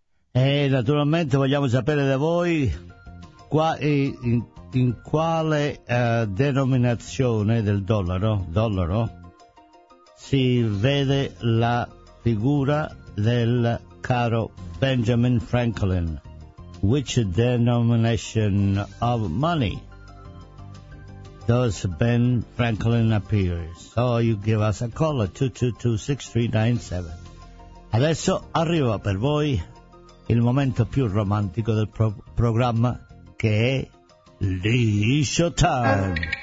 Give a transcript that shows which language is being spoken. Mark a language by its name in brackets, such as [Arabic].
[Italian] E naturalmente vogliamo sapere da voi qua in quale denominazione del dollaro si vede la figura del caro Benjamin Franklin. [English] Which denomination of money does Ben Franklin appear? So you give us a call at 222-6397. [Italian] Adesso arriva per voi il momento più romantico del programma, che è Liscio Time.